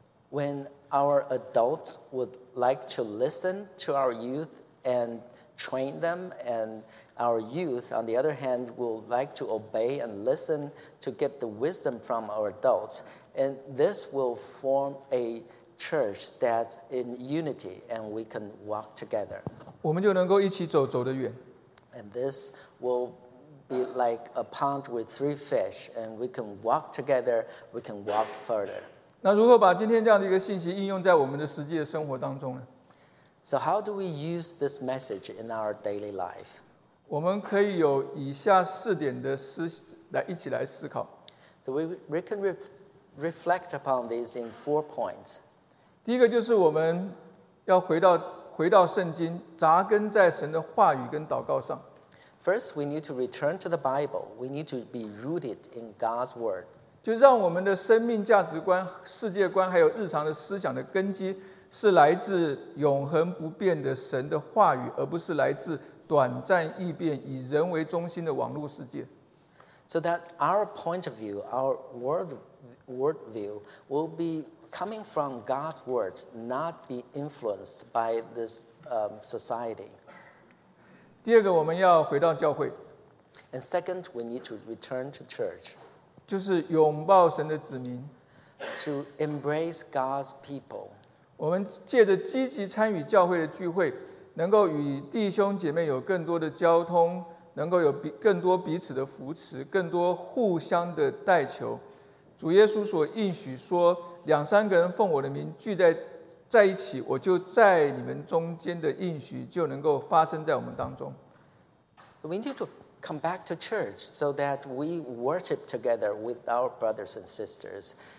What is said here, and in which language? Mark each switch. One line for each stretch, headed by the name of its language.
English: When our adults would like to listen to our youth and train them, and our youth, on the other hand, will like to obey and listen to get the wisdom from our adults. And this will form a church that's in unity, and we can walk together.
Chinese: 我们就能够一起走，走得远。
English: And this will be like a pond with three fish, and we can walk together, we can walk further.
Chinese: 那如何把今天这样的一个信息应用在我们的实际的生活当中呢？
English: So how do we use this message in our daily life?
Chinese: 我们可以有以下四点的思来一起来思考。
English: So we can reflect upon this in four points.
Chinese: 第一个就是我们要回到圣经，扎根在神的话语跟祷告上。
English: First, we need to return to the Bible. We need to be rooted in God's word.
Chinese: 就让我们的生命价值观、世界观，还有日常的思想的根基，是来自永恒不变的神的话语，而不是来自短暂易变、以人为中心的网络世界。
English: So that our point of view, our world view, will be coming from God's word, not be influenced by this society.
Chinese: 第二个，我们要回到教会。
English: And second, we need to return to church.
Chinese: 就是拥抱神的子民。
English: To embrace God's people.
Chinese: 我们借着积极参与教会的聚会，能够与弟兄姐妹有更多的交通，能够有更多彼此的扶持，更多互相的代求。主耶稣所应许说，两三个人奉我的名聚 在一起，我就在你们中间的应许就能够发生在我们当中。
English: We need to come back to church so that we worship together with our brothers and sisters.